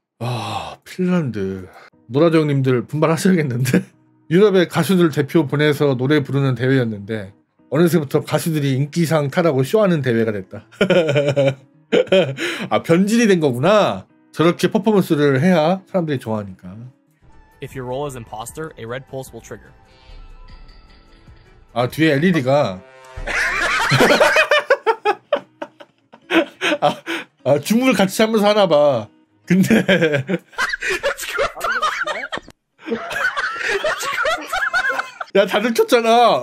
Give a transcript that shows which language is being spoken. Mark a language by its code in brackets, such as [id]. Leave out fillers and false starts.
[ko] 아, 핀란드. 노라조 형님들 분발하셔야겠는데. 유럽의 가수들 대표 보내서 노래 부르는 대회였는데 어느새부터 가수들이 인기상 타라고 쇼하는 대회가 됐다. 아, 변질이 된 거구나. 저렇게 퍼포먼스를 해야 사람들이 좋아하니까. [en] If your role is imposter, a red pulse will trigger. [ko] 아, 뒤에 LED가 아, 주문을 같이 하면서 하나 봐. 근데 야, 다들 쳤잖아.